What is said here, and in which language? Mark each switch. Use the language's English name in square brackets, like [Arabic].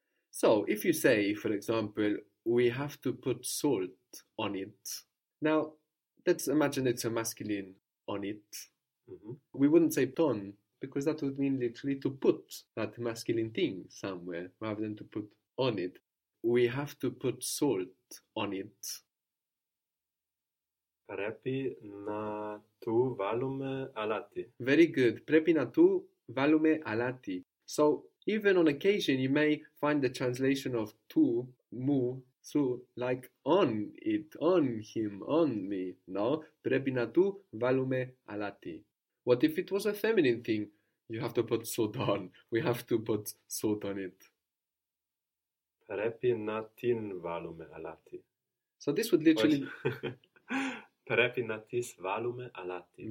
[English] So, if you say, for example, we have to put salt on it. Now, let's imagine it's a masculine on it. Mm-hmm. We wouldn't say ton, because that would mean literally to put that masculine thing somewhere, rather than to put on it. We have to put salt on it. [Greek] Πρέπει να του βάλουμε αλάτι. [English] Very good. [Greek] Πρέπει να του βάλουμε αλάτι. [English] So, even on occasion, you may find the translation of του, μου, σου, like on it, on him, on me. No? [Greek] Πρέπει να του βάλουμε αλάτι. [English] What if it was a feminine thing? You have to put salt on. We have to put salt on it. [Greek] Πρέπει να την βάλουμε αλάτι. [English] So, this would literally... [Greek] Πρέπει να τις βάλουμε αλάτι.